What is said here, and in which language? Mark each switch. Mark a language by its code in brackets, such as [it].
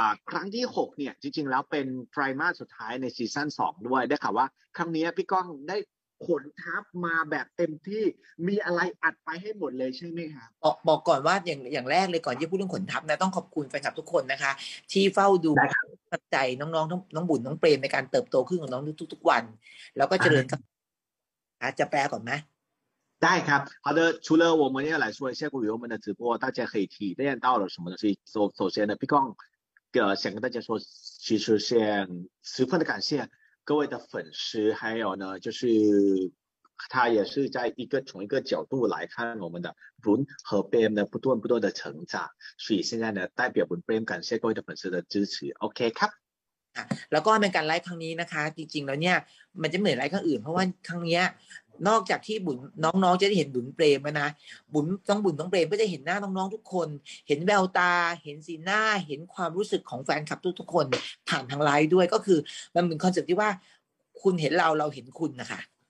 [th] ครั้งที่6เนี่ยจริงๆแล้วเป็นไตรมาสสุดท้ายในซีซั่น2ด้วยได้ข่าวว่าครั้งนี้พี่ก้องได้ขนทัพมาแบบเต็มที่มีอะไรอัดไปให้หมดเลยใช่มั้ยคะ บอกก่อนว่าอย่างแรกเลยก่อนที่พูดเรื่องขนทัพนะต้องขอบคุณแฟนคลับทุกคนนะคะที่เฝ้าดูกับใจน้องๆน้องบุญน้องเปรมในการเติบโตขึ้นของน้องทุกๆวันแล้วก็เจริญครับจะแปลก่อนไหม ได้ครับ [zh] 好的除了我们要来说一下关于我们的直播大家可以体验到了什么东西首先呢พี่ก้อง想跟大家说其实先十分的感谢各位的粉丝还有呢就是他也是在一个从一个角度来看我们的 Brun 和 Bam 的不断的成长所以现在呢代表 Brun Bam 感谢各位的粉丝的支持 OK 卡 [th] ค่ะแล้วก็ในการไลฟ์ครั้งนี้นะคะจริงๆแล้วเนี่ยมันจะเหมือนไลฟ์ครั้งอื่นเพราะว่าครั้งเนี้ยนอกจากที่บุญน้องๆจะได้เห็นบุญเปรมนะบุญต้องบุญต้องเปรมก็จะเห็นหน้าน้องๆทุกคนเห็นแววตาเห็นสีหน้าเห็นความรู้สึกของแฟนคลับทุกๆคนผ่านทางไลฟ์ด้วยก็คือมันเป็นคอนเซ็ปต์ที่ว่าคุณเห็นเราเราเห็นคุณนะคะ